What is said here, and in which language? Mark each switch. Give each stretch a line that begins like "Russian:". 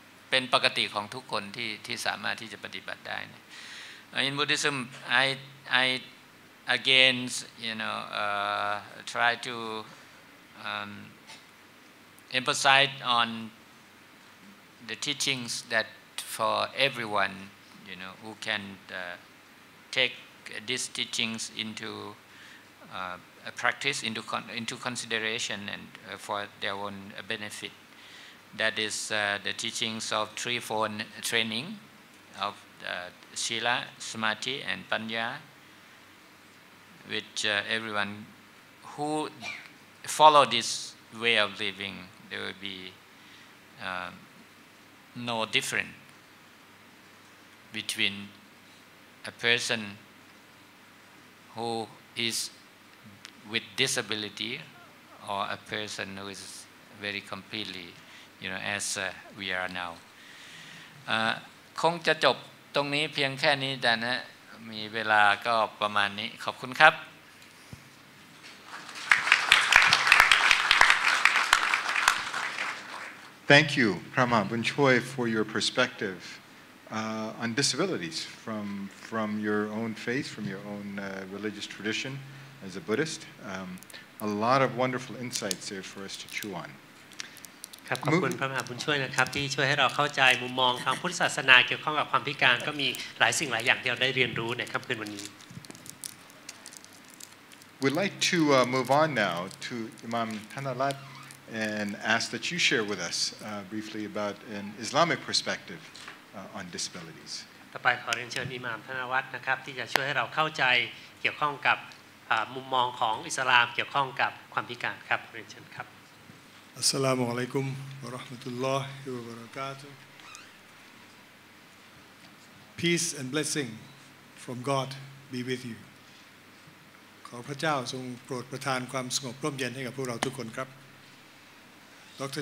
Thai: เป็นปกติของทุกคนที่สามารถที่จะปฏิบัติได้นะ
English: In Buddhism I again, you know, try to emphasize on the teachings that for everyone, you know, who can take these teachings into a practice, into consideration, and for their own benefit. That is the teachings of threefold training of sila, samadhi, and panya. with everyone who follow this way of living, there will be no difference between a person who is with disability or a person who is very completely, you know, as we are now.
Thai: คงจะจบตรงนี้เพียงแค่นี้แต่นะมีเวลาก็ประมาณนี้ขอบคุณครับ
English: Thank you, Prama Bunchoy, for your perspective on disabilities from your own faith, from your own religious tradition as a Buddhist. A lot of wonderful insights there for us to chew on.
Thai: ครับขอบคุณพระมหาบุญช่วยนะครับที่ช่วยให้เราเข้าใจมุมมองทางพุทธศาสนาเกี่ยวข้องกับความพิการก็มีหลายสิ่งหลายอย่างที่เราได้เรียนรู้ในค่ำคืนวันนี้
English: We'd like to move on now to Imam Thanalat and ask that you share with us briefly about an Islamic perspective on disabilities
Thai: ต่อไปขอเรียนเชิญอิหม่ามธนวัฒน์นะครับที่จะช่วยให้เราเข้าใจเกี่ยวข้องกับมุมมองของอิสลามเกี่ยวข้องกับความพิการครับเรียนเชิญครับ
Arabic: Assalamu alaikum wa rahmatullahi wa barakatuh.
English: Peace and blessing from God be with you.
Thai: ขอพระเจ้าทรงโปรดประทานความสงบร่มเย็นให้กับพวกเราทุกคนครับ Dr.